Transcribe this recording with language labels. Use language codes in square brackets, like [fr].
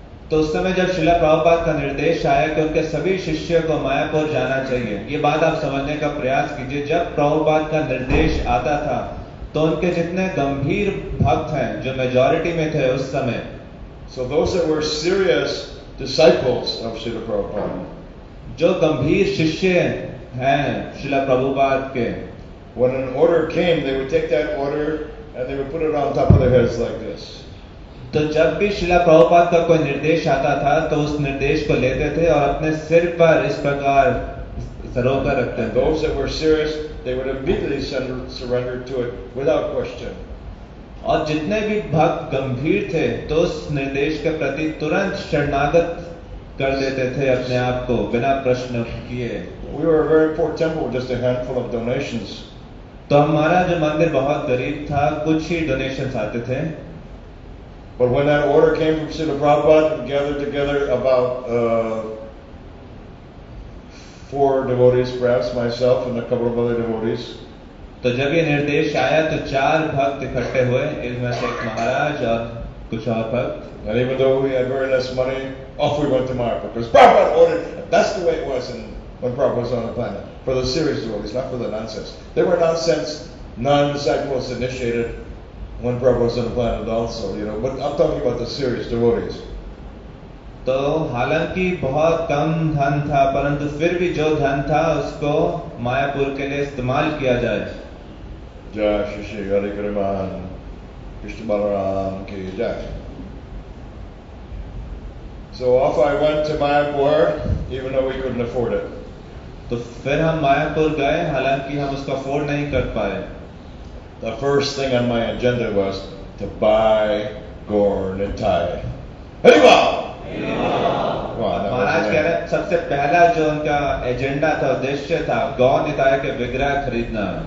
[hi] तो उस समय जब श्रील प्रभुपाद का निर्देश आया कि उनके सभी शिष्यों को मायापुर जाना चाहिए, ये बात आप समझने का प्रयास कीजिए, जब प्रभुपाद का निर्देश आता था तो उनके जितने गंभीर भक्त हैं जो मेजॉरिटी में थे उस समय. [en] So those that were serious disciples of Srila Prabhupada. [hi] जो गंभीर शिष्य हैं श्रीला प्रभुपाद के. [en] When an order came, they would take that order and they would put it on top of their heads like this. [hi] तो जब भी श्रीला प्रभुपाद का कोई निर्देश आता था तो उस निर्देश को लेते थे और अपने सिर पर इस प्रकार सरोकर रखते थे. [en] Those that were serious, they would immediately surrender to it without question. [hi] और जितने भी भक्त गंभीर थे तो उस निर्देश के प्रति तुरंत शरणागत कर देते थे अपने आप को बिना प्रश्न किए। [en] We were a very poor temple, just a handful of donations. [hi] तो हमारा जो मंदिर बहुत गरीब था, कुछ ही डोनेशंस आते थे। [en] But when that order came from Srila Prabhupada, gathered together about four devotees, perhaps myself and a couple of other devotees. [hi] तो जब ये निर्देश आया तो चार भक्त इकट्ठे हुए, इनमें से एक महाराज और कुछ और भक्त। [en] And even though we had very less money, off we went to Mayapur because Prabhupada ordered. That's the way it was in when Prabhupada was on the planet. For the serious devotees, not for the nonsense. They were nonsense, non-disciples initiated when Prabhupada was on the planet also, you know. But I'm talking about the serious devotees. [hi] तो हालांकि बहुत कम धन था, परंतु फिर भी जो धन था उसको मायापुर के लिए इस्तेमाल किया जाए। जय श्री श्री हरे कृष्ण बलराम की जय। [en] So off I went to Mayapur, even though we couldn't afford it. [hi] तो फिर हम मायापुर गए, हालांकि हम उसको अफोर्ड नहीं कर पाए। [en] The first thing on my agenda was to buy Gaur Nitai. [hi] महाराज कह रहे सबसे पहला जो उनका एजेंडा था, उद्देश्य था, गौ निताय के विग्रह खरीदना।